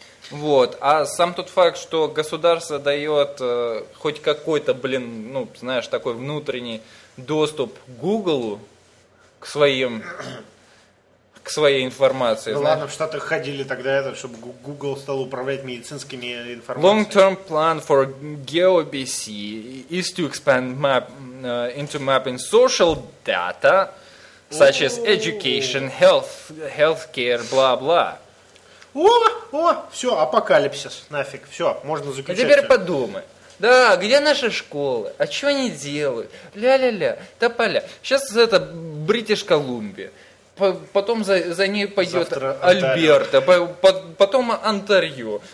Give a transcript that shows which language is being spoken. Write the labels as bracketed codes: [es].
[ru] Вот, а сам тот факт, что государство дает хоть какой-то, блин, ну, знаешь, такой внутренний доступ к Google к своим... к своей информации. Ну ладно, в Штатах ходили тогда, это, чтобы Google стал управлять медицинскими информациями. [en] Long-term plan for GeoBC is to expand map into mapping social data, such as education, healthcare, [ru] бла-бла. О, все, апокалипсис, нафиг, все, можно заключать. А теперь подумай. Да, где наши школы? А что они делают? Ля-ля-ля, тополя. Сейчас это British Columbia. Потом за ней пойдет Альберта, потом Онтарио.